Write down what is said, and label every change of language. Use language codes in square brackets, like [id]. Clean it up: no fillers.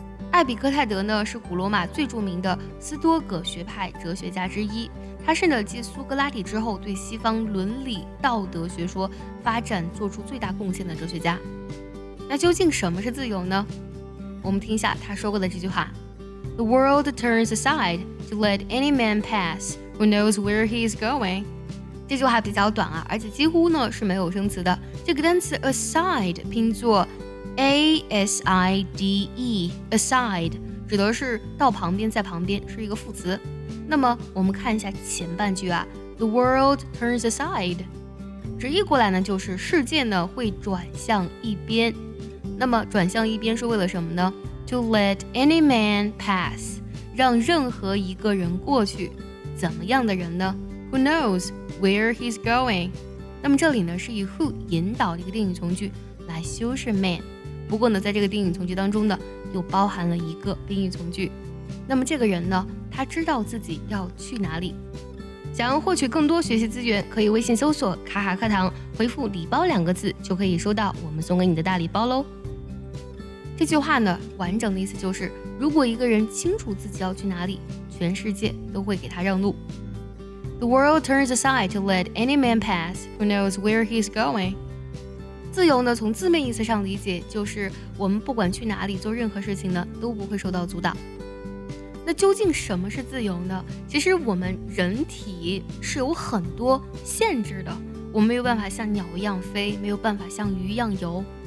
[zh] 艾比克泰德呢是古罗马最著名的斯多葛学派哲学家之一，他是呢继苏格拉底之后对西方伦理道德学说发展做出最大贡献的哲学家。那究竟什么是自由呢？我们听一下他说过的这句话。 [en] The world turns aside to let any man pass who knows where he is going。 [zh] 这句话比较短啊，而且几乎呢是没有生词的。这个单词 aside 拼作A-S-I-D-E, aside, 指的是到旁边，在旁边，是一个副词。那么我们看一下前半句啊， [en] The world turns aside, [zh] 直译过来呢，就是世界呢会转向一边。那么转向一边是为了什么呢？ [en] To let any man pass, [zh] 让任何一个人过去。怎么样的人呢？ [en] Who knows where he's going? [zh] 那么这里呢是以 who 引导的一个定语从句来修饰 man。不过呢在这个定语从句当中呢又包含了一个宾语从句，那么这个人呢他知道自己要去哪里。想要获取更多学习资源，可以微信搜索卡卡课堂，回复礼包两个字就可以收到我们送给你的大礼包咯。这句话呢完整的意思就是，如果一个人清楚自己要去哪里，全世界都会给他让路。 [en] The world turns aside to let any man pass who knows where he's going。 [zh] 自由呢从字面意思上理解，就是我们不管去哪里做任何事情呢都不会受到阻挡。那究竟什么是自由呢？其实我们人体是有很多限制的，我没有办法像鸟一样飞，没有办法像鱼一样游。